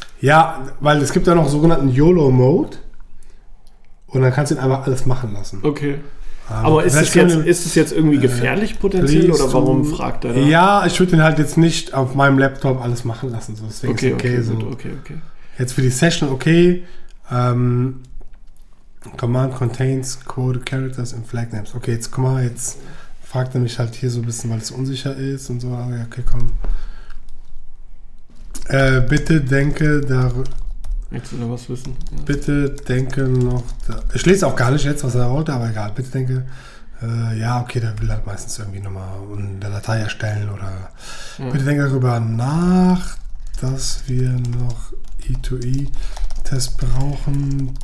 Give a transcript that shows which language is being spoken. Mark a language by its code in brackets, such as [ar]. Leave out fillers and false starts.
[de] Ja, weil es gibt da noch sogenannten YOLO-Mode und dann kannst du ihn einfach alles machen lassen. Okay. Aber ist es jetzt irgendwie gefährlich potenziell oder warum fragt er da? Ja, ich würde ihn halt jetzt nicht auf meinem Laptop alles machen lassen. So. Deswegen okay, ist okay, okay, so. Gut, okay. Jetzt für die Session, okay. [en] Command contains code characters and flag names. [de] Okay, jetzt guck mal, jetzt fragt er mich halt hier so ein bisschen, weil es unsicher ist und so. Okay, komm. Bitte denke Willst du da was wissen? Ja. Bitte denke noch ich lese auch gar nicht jetzt, was er wollte, aber egal. Bitte denke, der will halt meistens irgendwie nochmal eine Datei erstellen oder bitte denke darüber nach, dass wir noch E2E-Tests brauchen.